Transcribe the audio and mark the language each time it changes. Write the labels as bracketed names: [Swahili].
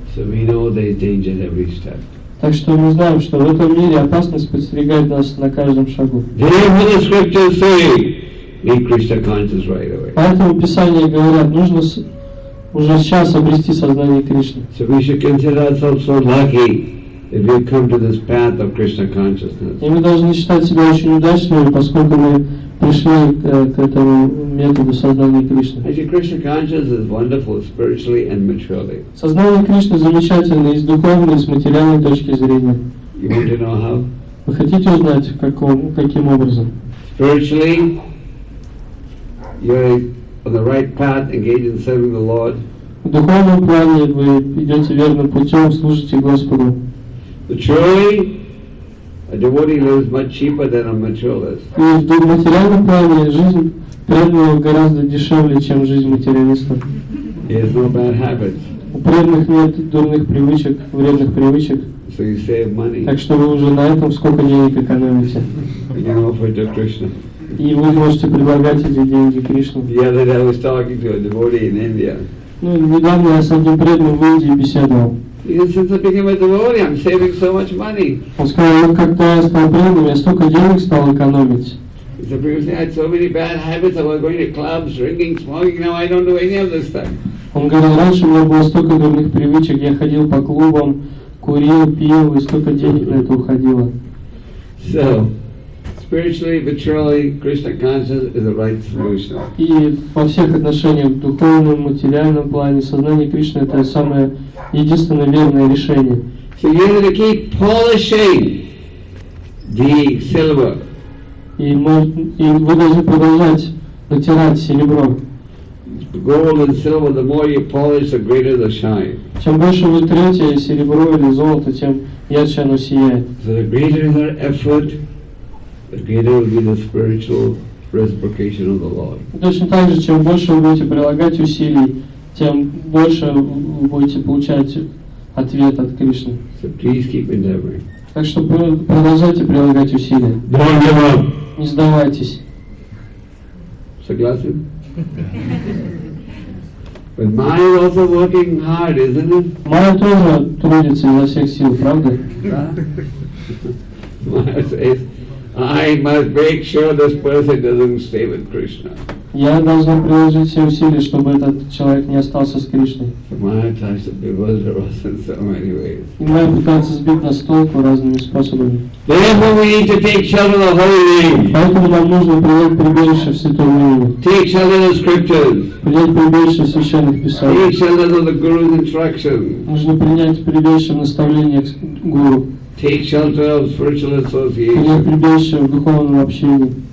[English] So we know there is danger at every step. [Russian] Так что мы знаем, что в этом мире опасность подстерегает нас на каждом шагу. [English] Therefore the scriptures say, make Krishna conscious right away. [Russian] Поэтому Писание говорят, нужно уже сейчас обрести сознание Кришны. [English] So we should consider ourselves so lucky if we come to this path of Krishna consciousness. [Russian] И мы должны считать себя очень удачными, поскольку мы пришли к этому методу сознания Кришны. [English] Actually, Krishna consciousness is wonderful spiritually and materially. [Russian] Сознание Кришны замечательное и с духовной, и с материальной точки зрения. [English] You want to know how? [Russian] Вы хотите узнать, каким образом? [English] Spiritually, you are on the right path, engaged in serving the Lord. [Russian] В духовном плане вы идете верным путем, служите Господу. [English] Materially, a devotee lives much cheaper than a materialist. [Russian] И в материальном плане жизнь преданного гораздо дешевле, чем жизнь материалиста. [English] He has no bad habits. [Russian] Вредных нет, дурных привычек, вредных привычек. [English] So you save money. [Russian] Так что вы уже на этом сколько денег экономите. [English] You offer to Krishna. [Russian] И вы можете предлагать эти деньги Кришне. [English] Yeah, that I was talking to a devotee in India. [Russian] Ну, недавно я с одним преданным в Индии беседовал. [English] He said, since I became a devotee, I'm saving so much money. [Russian] Он сказал, как-то я стал преданным, я столько денег стал экономить. [English] He said, because I had so many bad habits, I was going to clubs, drinking, smoking, now I don't do any of this stuff. [Russian] Он говорил, раньше у меня было столько дурных привычек, я ходил по клубам, курил, пил, и столько денег на это уходило. [English] So, spiritually, materially, Krishna consciousness is the right solution. [Russian] И во всех отношениях, в духовном, материальном плане, сознание Кришны — это самое единственное верное решение. [English] So you need to keep polishing the silver. [Russian] И вы должны продолжать натирать серебро. [English] Gold and silver, the more you polish, the greater the shine. [Russian] Чем больше вы трете серебро или золото, тем ярче оно сияет. [English] So the greater the effort, the greater will be the spiritual reciprocation of the Lord. [Russian] Точно так же, чем больше вы будете прилагать усилий, тем больше вы будете получать ответ от Кришны. [English] So please keep endeavoring. [Russian] Так что продолжайте прилагать усилия. [English] Don't give up. [Russian] Не сдавайтесь. Согласен? [English] But Maya is also working hard, isn't it? [Russian] Maya тоже трудится изо всех сил, правда? [English] Maya says, I must make sure this person doesn't stay with Krishna. [Russian] Я должен приложить все усилия, чтобы этот человек не остался с Кришной. [English] Maya tries to bewilder us in so many ways. [Russian] Maya пытается сбить нас с толку разными способами. [English] Therefore we need to take shelter of the holy name. [Russian] Поэтому нам нужно принять прибежище в святом имени. [English] Take shelter of the scriptures. [Russian] Принять прибежище в священных писаниях. [English] Take shelter of the guru's instruction. [Russian] Нужно принять прибежище в наставлениях гуру. [English] Take shelter of spiritual association. [Russian] Принять прибежище в духовном общении.